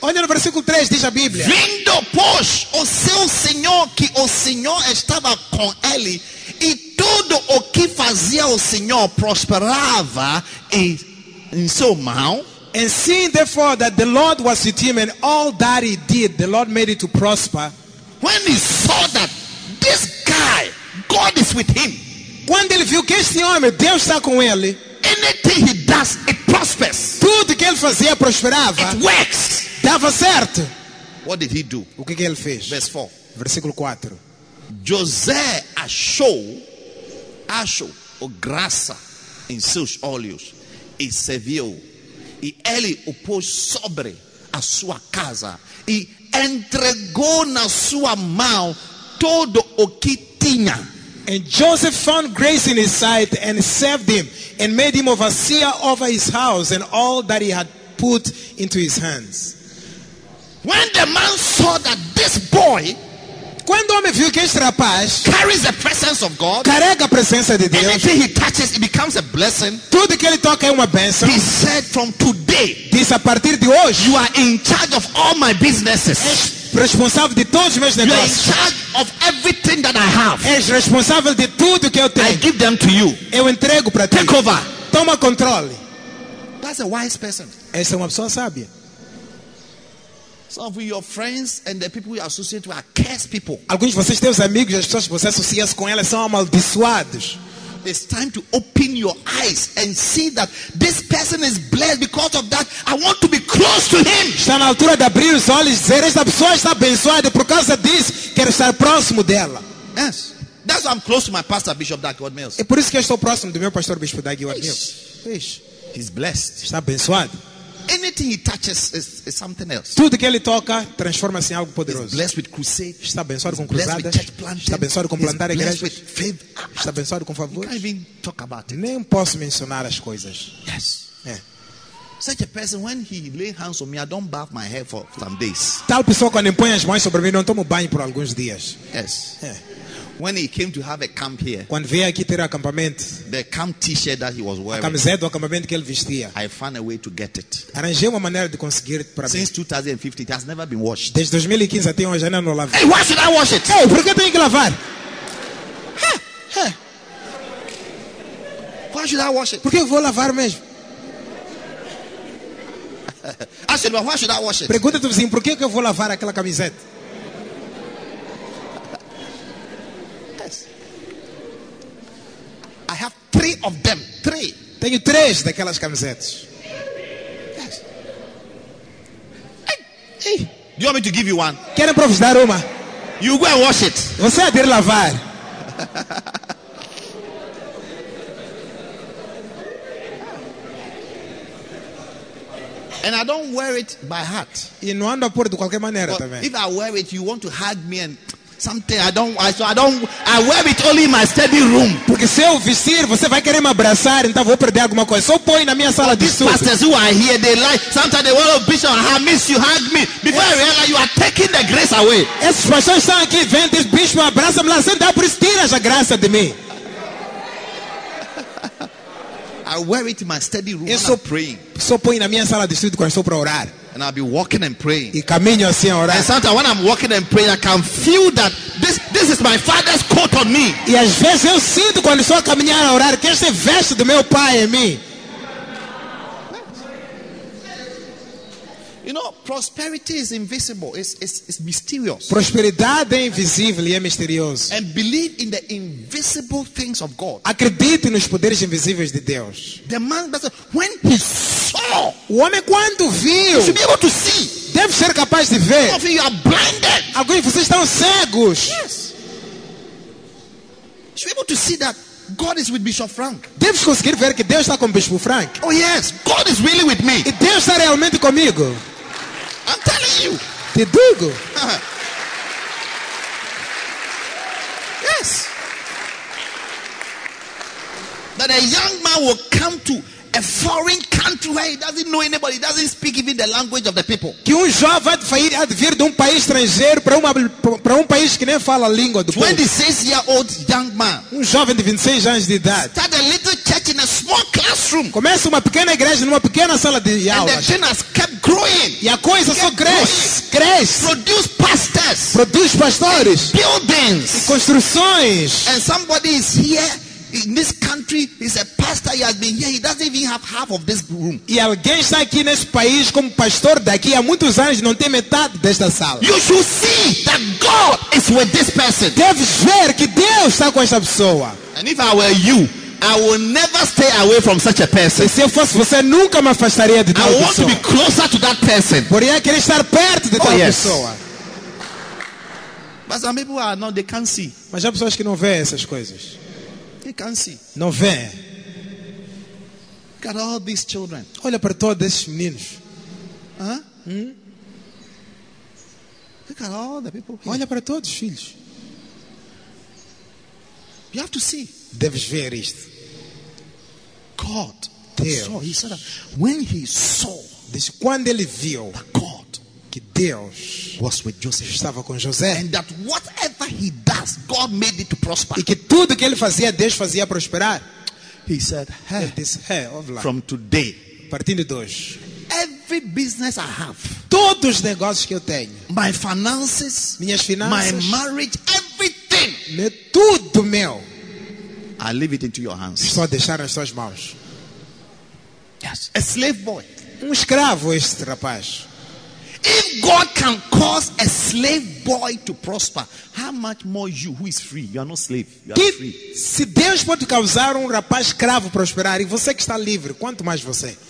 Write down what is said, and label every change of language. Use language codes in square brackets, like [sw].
[pt] Olha no versículo 3, diz a Bíblia. Vindo, pois, o seu senhor, que o senhor estava com ele, e tudo o que fazia o Senhor prosperava em seu mão. [en] And seeing therefore that the Lord was with him and all that he did, the Lord made it to prosper. When he saw that this guy, God is with him. [pt] Quando ele viu que este homem, Deus está com ele. [en] Anything he does, it prospers. [pt] Tudo que ele fazia prosperava. [en] It works. [pt] Dava certo. [en] What did he do? [pt] O que ele fez? [en] Verse 4. [pt] Versículo 4. José achou graça em seus olhos e serviu. E ele o pôs sobre a sua casa e entregou na sua mão todo o que tinha. [en] And Joseph found grace in his sight and served him and made him overseer over his house and all that he had put into his hands. When the man saw that this boy, [pt] quando o homem viu que este rapaz [en] carries the presence of God, [pt] carrega a presença de Deus, [en] anything he touches, it becomes a blessing. [pt] Tudo que ele toca é uma bênção. [en] He said, from today, [pt] diz a partir de hoje, [en] you are in charge of all my businesses. [pt] És responsável de todos os meus negócios. [en] You are in charge of everything that I have. [pt] És responsável de tudo que eu tenho. [en] I give them to you. [pt] Eu entrego para ti. [en] Take over. [pt] Toma controle. [en] That's a wise person. [pt] Essa é uma pessoa sábia. [en] Some of your friends and the people you associate with are cursed people. [pt] Alguns de vocês, teus amigos, as pessoas que você associa com elas são amaldiçoados. [en] It's time to open your eyes and see that this person is blessed. Because of that, I want to be close to him. [pt] Está na altura de abrir os olhos e dizer, esta pessoa está abençoada por causa disso, quero estar próximo dela. [en] Yes. That's why I'm close to my pastor, Bishop Dagwood Mills. [pt] É por isso que eu estou próximo do meu pastor, Bishop Dagwood Mills. [en] He's blessed. [pt] Está abençoado. [en] Anything he touches is something else. [pt] Tudo que ele toca transforma-se em algo poderoso. [en] He's blessed with crusade. [pt] Está abençoado com cruzadas. Está abençoado com plantar igrejas. Está abençoado com favores. [en] You can't even talk about it. [pt] Nem posso mencionar as coisas. [en] Yes. [pt] É. [en] Such a person, when he lay hands on me, I don't bath my hair for some days. [pt] Tal pessoa quando impõe as mãos sobre mim, não tomo banho por alguns dias. [en] Yes. [pt] É. [en] When he came to have a camp here, [pt] quando veio aqui ter acampamento, [en] the camp t-shirt that he was wearing, [pt] a camiseta do acampamento que ele vestia, [en] I found a way to get it. [pt] Arranjei uma maneira de conseguir [en] it [pt] para mim. [en] Since 2015, it has never been washed. [pt] Desde 2015 até hoje ainda não lavei. [en] Hey, why should I wash it? [pt] Hey, por que tenho que lavar? [en] Why should I wash it? [pt] Por que eu vou lavar mesmo? [en] Actually, why should I wash it? [pt] Pergunta ao vizinho, por que eu vou lavar aquela camiseta? [en] I have three of them. Three. [pt] Tenho três daquelas camisetas. [en] Yes. Hey. Do you want me to give you one? [pt] Querem para vos dar uma? [en] You go and wash it. [pt] Você há de ir lavar. [en] Yeah. And I don't wear it by heart. [pt] E não ando por de qualquer maneira [en] but [pt] também. [en] If I wear it, you want to hug me and something. I wear it only in my study room. [pt] Porque se eu vestir, você vai querer me abraçar, então vou perder alguma coisa. Só põe na minha sala de estudo. [en] Pastors who are here, they like sometimes they want to be sure, I miss you, hug me. Before I realize you are taking the grace away. [pt] Esses pastores estão aqui, vem, diz, bicho, abraça-me lá, senta, por isso tira a graça de mim. [en] I wear it in my study room and I'm praying. [pt] Só põe na minha sala de estudo quando estou para orar. [en] And I'll be walking and praying. [pt] E caminho assim a orar. [en] And sometimes when I'm walking and praying, I can feel that this is my father's coat on me. [pt] E às vezes eu sinto quando estou a caminhar a orar que esse veste do meu pai em mim. [en] You know, prosperity is invisible. It's mysterious. [pt] Prosperidade é invisível e é misterioso. [en] And believe in the invisible things of God. [pt] Acredite nos poderes invisíveis de Deus. [en] The man, when he saw, [pt] o homem quando viu, [en] he should be able to see. [pt] Deve ser capaz de ver. [en] Some of you are blinded. [pt] Alguns de vocês estão cegos. [en] Yes. Should be able to see that. God is with Bishop Frank. [pt] Deve conseguir ver que Deus está com Bishop Frank. [en] Oh yes, God is really with me. [pt] E Deus está realmente comigo. [en] I'm telling you. [pt] Te digo. [en] Yes. That a young man will come to a foreign country where he doesn't know anybody, he doesn't speak even the language of the people. [pt] Que jovem vai vir de país estrangeiro para um país que nem fala a língua do povo. [en] 26-year-old young man. [pt] Jovem de 26 anos de idade. [en] Start a little church in a small classroom. [pt] Começa uma pequena igreja numa pequena sala de aulas. [en] And the thing has kept growing. [pt] E a coisa só cresce. [en] Produce pastors. [pt] Produz pastores. [en] And buildings. [pt] E construções. [en] And somebody is here. In this country, he's a pastor. He has been here. He doesn't even have half of this room. [pt] E alguém está aqui nesse país como pastor daqui há muitos anos não tem metade desta sala. [en] You should see that God is with this person. [pt] Deve ver que Deus está com essa pessoa. [en] And if I were you, I will never stay away from such a person. [pt] Se eu fosse você, nunca me afastaria de tal pessoa. [en] I want to be closer to that person. [pt] Poderia querer estar perto de tal pessoa. [en] But some people are not. They can't see. [pt] Mas há pessoas que não veem essas coisas. [en] You can't see. [pt] Não vê. [en] Look at all these children. [pt] Olha para todos esses meninos. [en] Look at all the people here. [pt] Olha para todos os filhos. [en] You have to see. [pt] Deves ver isto. [en] God. [pt] Deus. [en] He saw that when he saw. [pt] Diz, quando ele viu. [en] That God. [pt] Que Deus [en] was with Joseph. [pt] Estava com José. [en] And that whatever he does, God made it to prosper. [pt] E que tudo que ele fazia, Deus fazia prosperar. [en] He said, hey, this hair of life. From today, [pt] partindo de hoje, [en] every business I have, [pt] todos os negócios que eu tenho, [en] my finances, [pt] minhas finanças, [en] my marriage, everything, [pt] tudo meu, [en] I leave it into your hands. [pt] Estou a deixar nas suas mãos. [en] Yes, a slave boy, [pt] escravo este rapaz. [en] If God can cause a slave boy to prosper, how much more you who is free? You are not slave, you are free. [pt] Se Deus pode causar rapaz escravo prosperar e você que está livre, quanto mais você?